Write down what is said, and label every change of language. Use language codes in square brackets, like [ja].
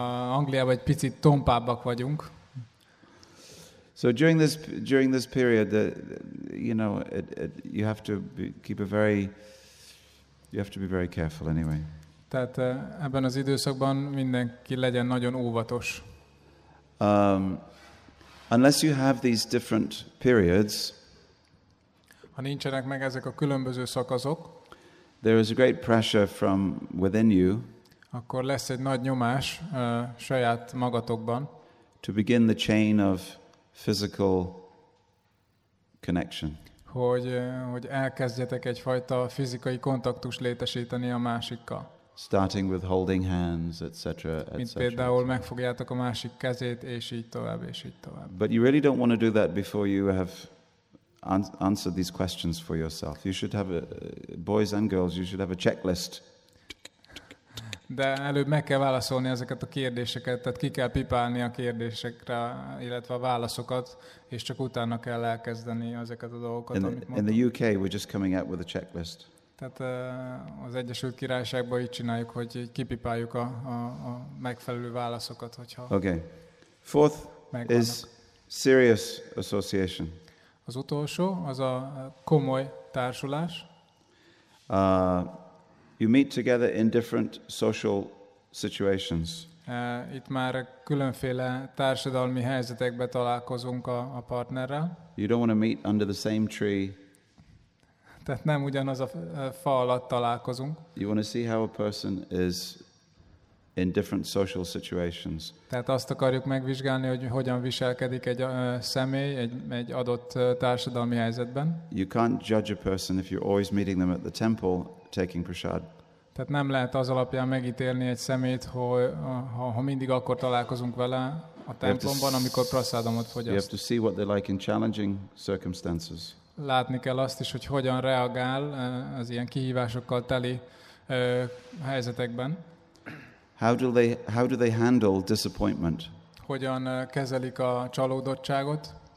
[hu] Angliában egy picit tompábbak vagyunk. [en] So during this period, you have to be very careful anyway. [hu] Tehát ebben az időszakban mindenki legyen nagyon óvatos. [en] Unless you have these different periods. [hu] Ha nincsenek meg ezek a különböző szakaszok. [en] There is a great pressure from within you. [hu] Akkor lesz egy nagy nyomás saját magatokban. [en] To begin the chain of physical connection. [hu] Hogy elkezdjetek egyfajta fizikai kontaktust létesíteni a másikkal. [en] Starting with holding hands, etc. [hu] Mint például megfogjátok a másik kezét, és így tovább, és így tovább. [en] But you really don't want to do that before you have answered these questions for yourself. You should have boys and girls, you should have a checklist. [hu] De előbb meg kell válaszolni ezeket a kérdéseket, tehát ki kell pipálni a kérdésekre, illetve a válaszokat, és csak utána kell elkezdeni ezeket a dolgokat, amit mondtam. [en] In the UK, we're just coming out with a checklist. [hu] Tehát az Egyesült Királyságban így csináljuk, hogy kipipáljuk a megfelelő válaszokat, hogyha. [en] Okay. Fourth [hu] megvannak. [en] Is serious association. [hu] Az utolsó, az a komoly társulás. [en] You meet together in different social situations. [hu] Itt már különféle társadalmi helyzetekben találkozunk a partnerrel. [en] You don't want to meet under the same tree. [hu] Tehát nem ugyanaz a fa alatt találkozunk. [en] You want to see how a person is in different social situations. [hu] Tehát azt akarjuk megvizsgálni, hogy hogyan viselkedik egy személy egy adott társadalmi helyzetben. [en] You can't judge a person if you're always meeting them at the temple taking prasad. [hu] Tehát nem lehet az alapján megítélni egy szemét, ha mindig akkor találkozunk vele a templomban, amikor prasadamot fogyaszt. [en] You have to see what they're like in challenging circumstances. [hu] Látni kell azt is, hogy hogyan reagál az ilyen kihívásokkal teli helyzetekben. [en] How do they handle disappointment? [hu] Hogyan kezelik a csalódottságot?